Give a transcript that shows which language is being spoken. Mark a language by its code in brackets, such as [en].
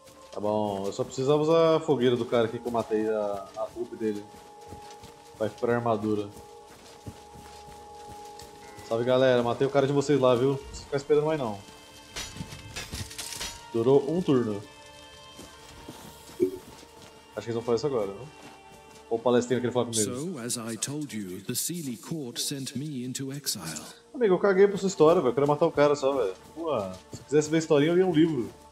[pt] Tá bom, eu só precisava usar a fogueira do cara aqui que eu matei a roupa dele. Vai pra armadura. Salve galera, matei o cara de vocês lá, viu? Não precisa ficar esperando mais não. Durou um turno. Acho que eles vão fazer isso agora, não? Ou o palestrinho que ele fala comigo. [en] So, as I told you, the Seely Court sent me into exile. [pt] Amigo, eu caguei pra sua história, velho. Eu quero matar o cara só, velho. Ué, se quisesse ver a historinha, eu li um livro.